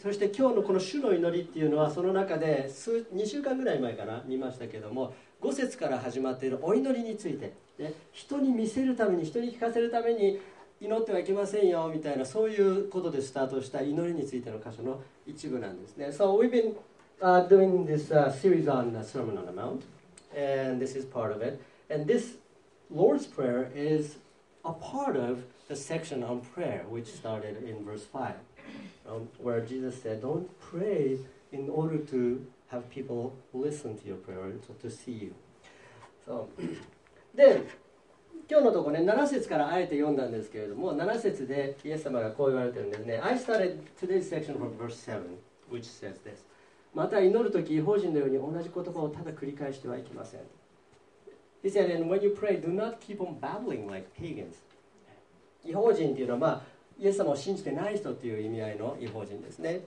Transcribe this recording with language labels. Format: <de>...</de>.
<ja>そして今日のこの主の祈りっていうのは、その中で2週間ぐらい前かな、見ましたけども、5節から始まっているお祈りについて、ね、人に見せるために、人に聞かせるために祈ってはいけませんよみたいな、そういうことでスタートした祈りについての箇所の一部なんですね。</ja> <en>So we've been doing this series on the Sermon on the Mount, and this is part of it. And this Lord's Prayer is a part ofthe section on prayer, which started in verse 5, where Jesus said, don't pray in order to have people listen to your prayer, or to see you. So,</en> <ja>で、今日のところね、7節からあえて読んだんですけれども、7節でイエス様がこう言われてるんですね。</ja> <en>I started today's section from verse 7, which says this.</en> <ja>また祈るとき、異邦人のように同じ言葉をただ繰り返してはいけません。</ja> <en>He said, and when you pray, do not keep on babbling like pagans.</en> <ja>異邦人というのは、イエス様を信じてない人という意味合いの異邦人ですね。</ja>